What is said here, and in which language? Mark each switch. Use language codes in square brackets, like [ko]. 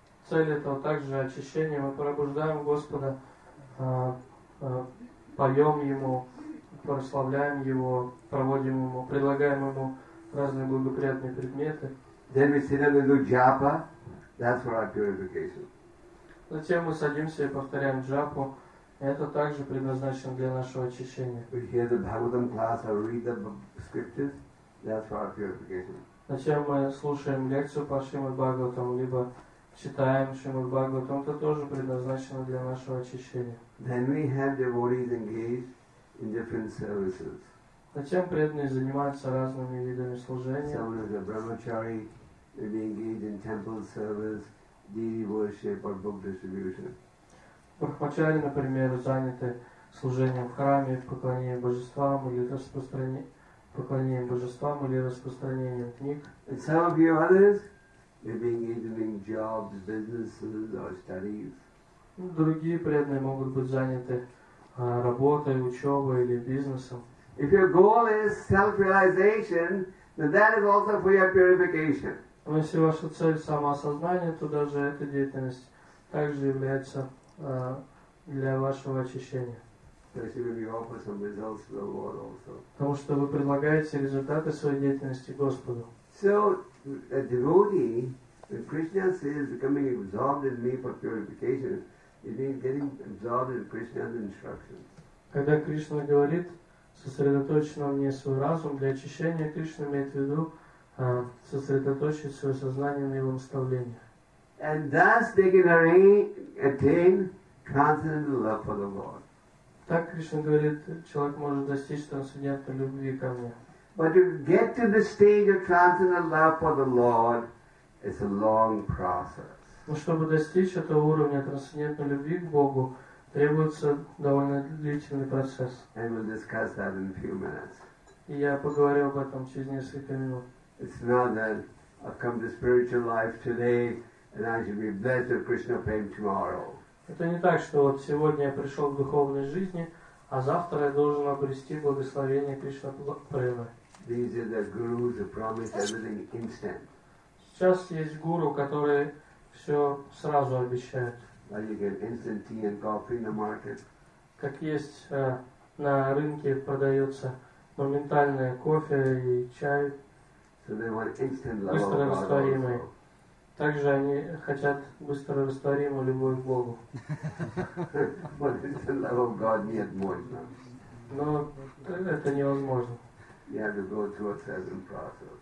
[ru] Цель этого также очищение. Мы пробуждаем Господа, поем Ему, прославляем Его, проводим Ему, предлагаем Ему разные благоприятные предметы. [en] Then we sit and do japa. That's for our purification. [ru] Затем мы садимся и повторяем джапу. Это также предназначено для нашего очищения. [en] We hear the Bhagavatam class or read the scriptures. That's for our purification. [ru] Затем мы слушаем лекцию по Шримад Бхагаватам, либо читаем Шримад Бхагаватам. Это тоже предназначено для нашего очищения. [en] Then we have devotees engaged in different services. [ru] Затем преданные занимаются разными видами служения. [en] Some of the brahmachari will be engaged in temple service, deity worship or book distribution. [ru] Брахмачари, например, заняты служением в храме, поклонением божествам или распространением книг. [en] And some of you others may be engaged in jobs, businesses or studies. [ru] Другие преданные могут быть заняты работой, учебой или бизнесом. [en] If your goal is self-realization, then that is also for your purification. [ru] Если ваша цель самоосознание, то даже эта деятельность также является для вашего очищения. [en] Especially when you offer some results to the Lord also. [ru] Потому что вы предлагаете результаты своей деятельности Господу. [en] So a devotee, when Krishna says becoming absorbed in me for purification, it means getting absorbed in Krishna's instructions. [ru] Когда Кришна говорит, сосредоточен во мне свой разум для очищения, Кришна имеет в виду сосредоточить свое сознание на его наставлении. [en] And thus they can attain transcendental love for the Lord. [ru] Так Кришна говорит, человек может достичь трансцендентной любви ко мне. [en] But to get to the stage of transcendental love for the Lord is a long process. [ru] Но чтобы достичь этого уровня трансцендентной любви к Богу, требуется довольно длительный процесс. [en] And we'll discuss that in a few minutes. [ru] И я поговорю об этом через несколько минут. [en] It's not that I've come to spiritual life today and I should be blessed with Krishna fame tomorrow. [ru] Это не так, что вот сегодня я пришел к духовной жизни, а завтра я должен обрести благословение Кришна Премы. [en] These are the gurus who promise everything instant. [ru] Сейчас есть гуру, которые все сразу обещают. [en] Like you get instant tea and coffee in the market. [ru] Как есть на рынке продается моментальное кофе и чай. [en] So they want instant love of God also. [ru] Также они хотят быстро растворимую любовь к Богу. [en] But instant love of God [ru] нет, можно. Но это невозможно. [en] You have to go through a certain process.